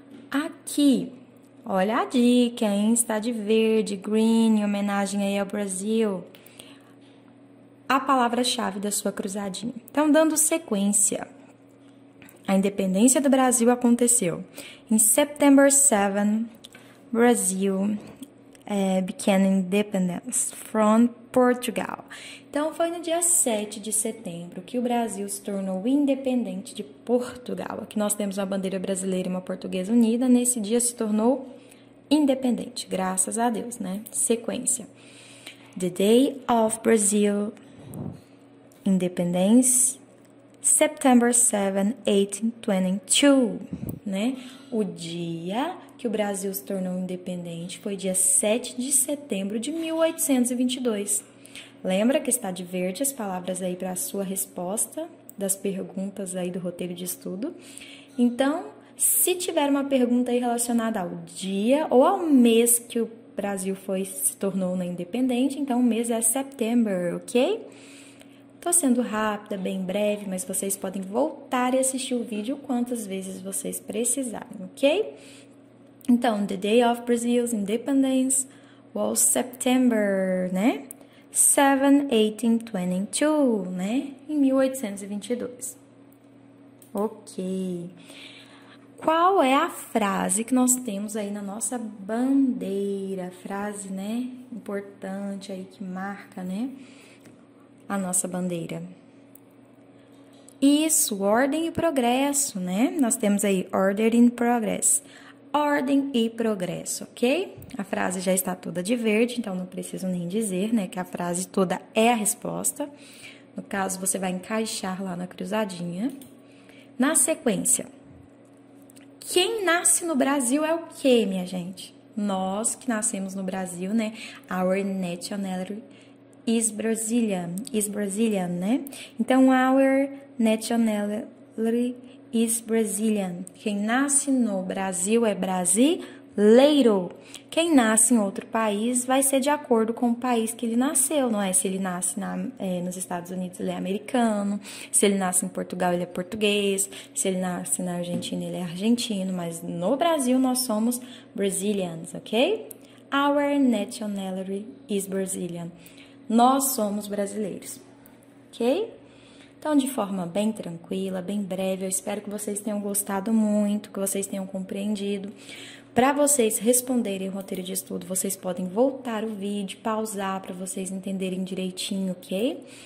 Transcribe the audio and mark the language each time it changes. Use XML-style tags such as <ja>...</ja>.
<pt>Aqui, olha a dica, hein? Está de verde, green, em homenagem aí ao Brasil. A palavra-chave da sua cruzadinha. Então, dando sequência, a independência do Brasil aconteceu.</pt> <en>In September 7, Brazil became independence from Portugal.</en> <pt>Então foi no dia 7 de setembro que o Brasil se tornou independente de Portugal. Aqui nós temos uma bandeira brasileira e uma portuguesa unida. Nesse dia se tornou independente, graças a Deus, né? Sequência.</pt> <en>The day of Brazil independence, September 7, 1822, né?</en> <pt>O dia que o Brasil se tornou independente foi dia 7 de setembro de 1822. Lembra que está de verde as palavras aí para a sua resposta das perguntas aí do roteiro de estudo? Então, se tiver uma pergunta aí relacionada ao dia ou ao mês que o Brasil foi se tornou na independente, então o mês é setembro, ok? Tô sendo rápida, bem breve, mas vocês podem voltar e assistir o vídeo quantas vezes vocês precisarem, ok?</pt> <en>Então, the day of Brazil's independence was September, né?</en> <pt>7, 1822, né? Em 1822. Ok. Qual é a frase que nós temos aí na nossa bandeira? Frase, né? Importante aí que marca, né? A nossa bandeira. Isso, ordem e progresso, né? Nós temos aí order and progress. Ordem e progresso, ok? A frase já está toda de verde, então não preciso nem dizer, né, que a frase toda é a resposta. No caso, você vai encaixar lá na cruzadinha. Na sequência, quem nasce no Brasil é o quê, minha gente? Nós que nascemos no Brasil, né?</pt> <en>Our nationality is Brazilian. Is Brazilian, né?</en> <pt>Então,</pt> <en>our nationality is Brazilian.</en> <pt>Quem nasce no Brasil é brasileiro. Leiro, quem nasce em outro país vai ser de acordo com o país que ele nasceu, não é? Se ele nasce nos Estados Unidos, ele é americano. Se ele nasce em Portugal, ele é português. Se ele nasce na Argentina, ele é argentino. Mas no Brasil, nós somos Brazilians, ok?</pt> <en>Our nationality is Brazilian.</en> <pt>Nós somos brasileiros, ok? Então, de forma bem tranquila, bem breve, eu espero que vocês tenham gostado muito, que vocês tenham compreendido. Para vocês responderem o roteiro de estudo, vocês podem voltar o vídeo, pausar para vocês entenderem direitinho, ok?</pt>